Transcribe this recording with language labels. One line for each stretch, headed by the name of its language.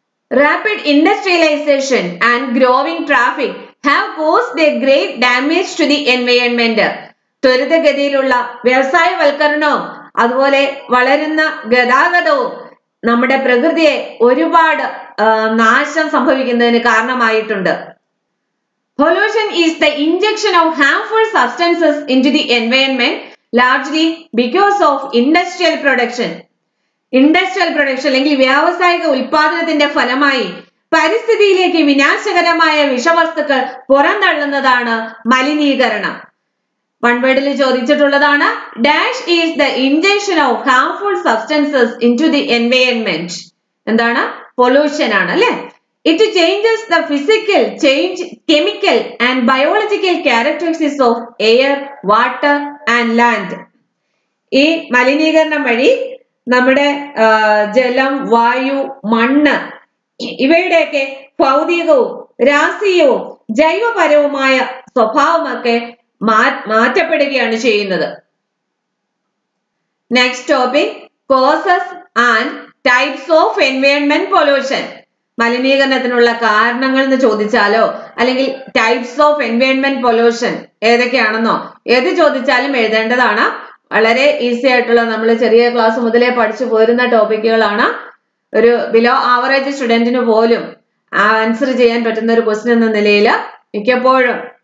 English: Rapid industrialisation and growing traffic have caused a great damage to the environment.
Malayalam: ത്വരിതഗതിയിലുള്ള വ്യവസായവൽക്കരണവും അതുപോലെ വളരുന്ന ഗതാഗതവും നമ്മുടെ പ്രകൃതിയെ ഒരുപാട് നാശം സംഭവിക്കുന്നതിന് കാരണമായിട്ടുണ്ട്.
English: Pollution is the injection of harmful substances into the environment largely because of industrial production.
Malayalam: Industrial production അല്ലെങ്കിൽ വ്യാവസായിക ഉൽപാദനത്തിന്റെ ഫലമായി പരിസ്ഥിതിയിലേക്ക് വിനാശകരമായ വിഷവസ്തുക്കൾ പുറന്തള്ളുന്നതാണ് മലിനീകരണം.
English: One word
Malayalam: ല് ചോദിച്ചിട്ടുള്ളതാണ്
English: dash is the injection of harmful substances into the environment.
Malayalam: എന്താണ്?
English: Pollution
Malayalam: ആണ് അല്ലെ.
English: It changes the physical, chemical and biological characteristics of air, water and land.
Malayalam: ഈ മലിനീകരണം വഴി നമ്മുടെ ജലം, വായു, മണ്ണ് ഇവയുടെയൊക്കെ ഭൗതികവും രാസീയവും ജൈവപരവുമായ സ്വഭാവമൊക്കെ മാറ്റപ്പെടുകയാണ് ചെയ്യുന്നത്.
English: Next topic, causes and types of environment pollution.
Malayalam: മലിനീകരണത്തിനുള്ള കാരണങ്ങൾ എന്ന് ചോദിച്ചാലോ അല്ലെങ്കിൽ ടൈപ്സ് ഓഫ് എൻവയോൺമെന്റ് പൊല്യൂഷൻ ഏതൊക്കെയാണെന്നോ ഏത് ചോദിച്ചാലും എഴുതേണ്ടതാണ്. വളരെ ഈസി ആയിട്ടുള്ള നമ്മൾ ചെറിയ ക്ലാസ് മുതലേ പഠിച്ചു പോരുന്ന ടോപ്പിക്കുകളാണ്. ഒരു ബിലോ ആവറേജ് സ്റ്റുഡൻറ്റിന് പോലും ആൻസർ ചെയ്യാൻ പറ്റുന്ന ഒരു ക്വസ്റ്റൻ എന്ന നിലയിൽ മിക്കപ്പോഴും